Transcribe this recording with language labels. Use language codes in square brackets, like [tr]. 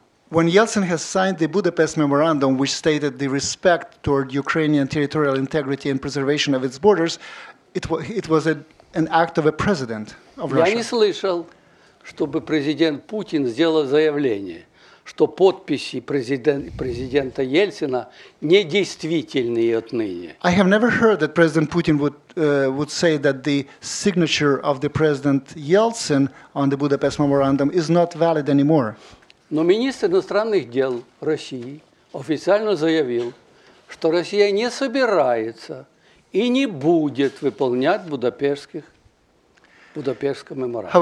[en] When Yeltsin has signed the Budapest Memorandum, which stated the respect toward Ukrainian territorial integrity and preservation of its borders, it was an act of a president of Russia. [ru] Я не слышал, чтобы президент Путин сделал заявление, что подписи президента Ельцина недействительны отныне. [en] I have never heard that President Putin would say that the signature of the President Yeltsin on the Budapest Memorandum is not valid anymore. [ru] Но министр иностранных дел России официально заявил, что Россия не собирается и не будет выполнять Будапештский меморандум.